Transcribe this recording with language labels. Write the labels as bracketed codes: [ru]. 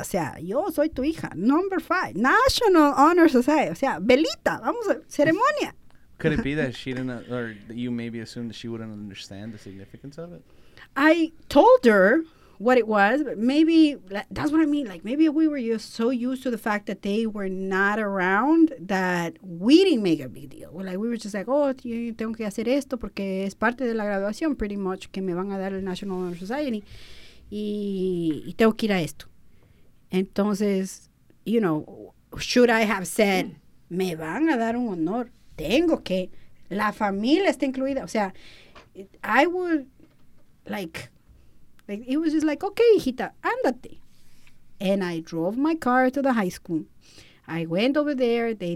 [es] O sea, yo soy tu hija. Number 5, National Honor Society. O sea, velita, vamos a ceremonia. [en] Could it be that she didn't, or that you maybe assumed that she wouldn't understand the significance of it? I told her what it was, but maybe, that's what I mean. Like, maybe we were just so used to the fact that they were not around that we didn't make a big deal. Like, we were just like, oh, [es] tengo que hacer esto porque es parte de la graduación, [en] pretty much, [es] que me van a dar el National Honor Society, y tengo que ir a esto. Entonces, [en] you know, should I have said, [es] me van a dar un honor? Tengo que, la familia está incluida. O sea, [en] I would, like, it was just like, okay, [es] hijita, ándate. [en] And I drove my car to the high school. I went over there.